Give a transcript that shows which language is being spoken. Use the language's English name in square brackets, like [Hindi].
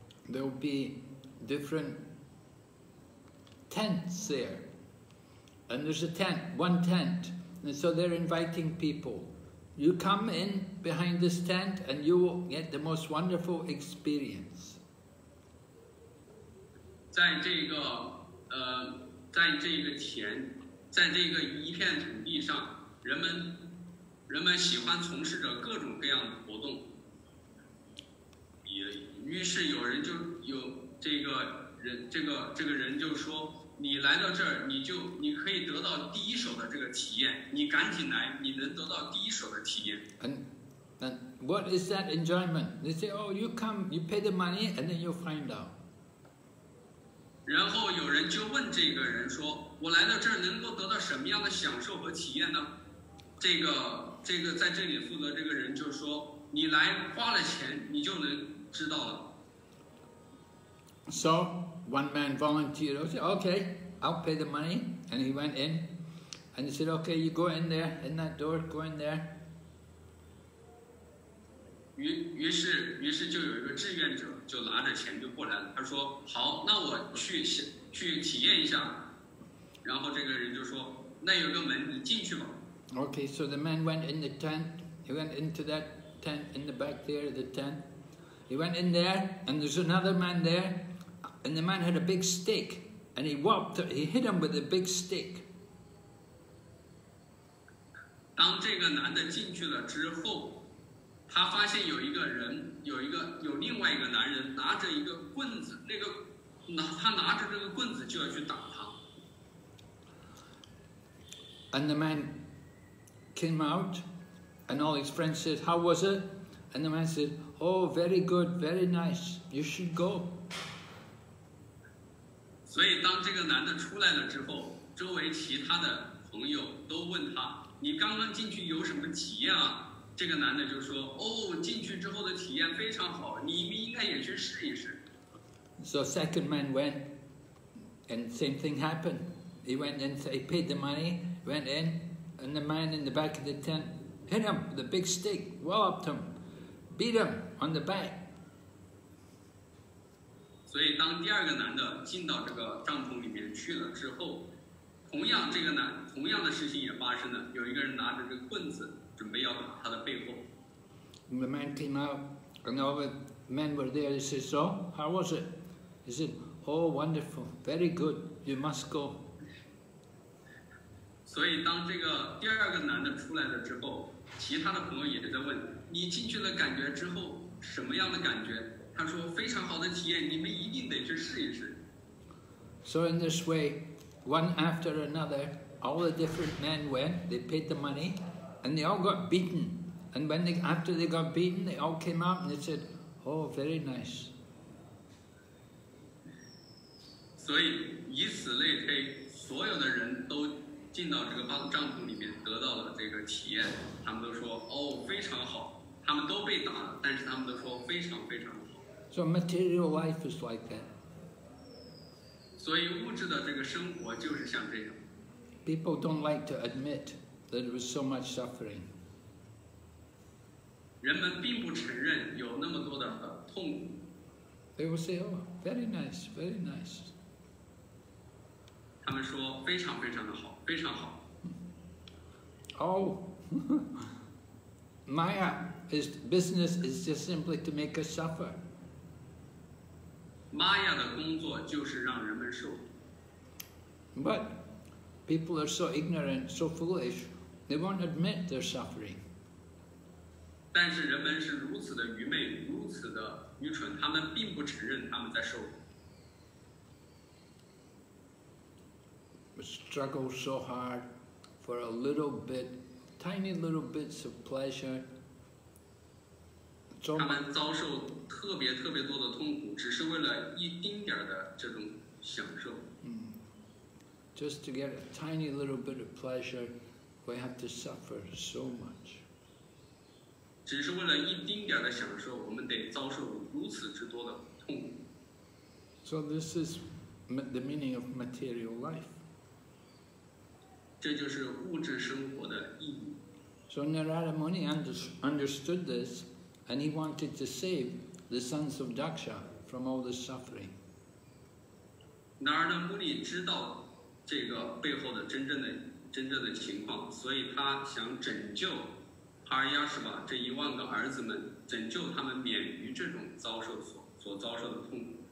[English] There will be different tents there. And there's a tent, one tent. And so they're inviting people. You come in behind this tent and you will get the most wonderful experience. [Chinese] 在这个一片土地上，人们喜欢从事着各种各样的活动。于是有人就有这个人就说，你来到这儿，你可以得到第一手的这个体验，你赶紧来，你能得到第一手的体验。 [English] And what is that enjoyment? They say, oh, you come, you pay the money, and then you'll find out. [Chinese] 然后有人就问这个人说，我来到这儿能够得到什么样的享受和体验呢？这个在这里负责这个人就说，你来花了钱你就能知道了。 [English] So one man volunteered, said, okay, I'll pay the money, and he went in, and he said, okay, you go in there, in that door, go in there. [Chinese] 于是就有一个志愿者就拿着钱就过来了，他说，好，那我去体验一下。然后这个人就说，那有个门，你进去吧。 [English] Okay, so the man went in the tent. He went into that tent in the back there of the tent. He went in there, and there's another man there. And the man had a big stick, and he hit him with a big stick. [Chinese] 当这个男的进去了之后，他发现有另外一个男人拿着一个棍子，他拿着这个棍子就要去打他。 [English] And the man came out, and all his friends said, "How was it?" And the man said, "Oh, very good, very nice. You should go." [Chinese] 所以当这个男的出来了之后，周围其他的朋友都问他，你刚刚进去有什么体验啊？这个男的就说，哦，进去之后的体验非常好，你们应该也去试一试。 [English] So second man went, and same thing happened. He went in, he paid the money, went in, and the man in the back of the tent hit him with a big stick, walloped him, beat him on the back. [Chinese] 所以当第二个男的进到这个帐篷里面去了之后，同样的事情也发生了，有一个人拿着这个棍子准备要打他的背后。 [English] The man came out, and all the men were there. He said, "So, how was it?" He said, "Oh, wonderful, very good. You must go." [Chinese] 所以当这个第二个男的出来了之后，其他的朋友也在问，你进去了感觉之后什么样的感觉？他说，非常好的体验，你们一定得去试一试。 [English] So in this way, one after another, all the different men went. They paid the money. And they all got beaten. And after they got beaten, they all came out and they said, "Oh, very nice." [Chinese] 所以以此类推，所有的人都进到这个帐篷里面，得到了这个体验。他们都说，哦，非常好。他们都被打了，但是他们都说非常非常好。 [English] So material life is like that. [Chinese] 所以物质的这个生活就是像这样。 [English] People don't like to admit. That it was so much suffering. [Chinese] 人们并不承认有那么多的痛苦。 [English] They will say, "Oh, very nice, very nice." [Chinese] 他们说非常非常的好，非常好。 [English] Oh, Maya, his business is just simply to make us suffer. [Chinese] Maya 的工作就是让人们受苦。 [English] But people are so ignorant, so foolish. They won't admit their suffering. [Chinese] 但是人们是如此的愚昧，如此的愚蠢，他们并不承认他们在受苦。 [English] Struggle so hard for a little bit, tiny little bits of pleasure. [Chinese] 他们遭受特别特别多的痛苦，只是为了一丁点的这种享受。 [English] Just to get a tiny little bit of pleasure. We have to suffer so much. [Chinese] 只是为了一丁点的享受，我们得遭受如此之多的痛苦。 [English] So this is the meaning of material life. [Chinese] 这就是物质生活的意义。 [English] So Narada Muni understood this, and he wanted to save the sons of Daksha from all the suffering. [Chinese] Narada Muni 知道这个背后的真正的情况，所以他想拯救哈尔亚什瓦这一万个儿子们，拯救他们免于这种所遭受的痛苦。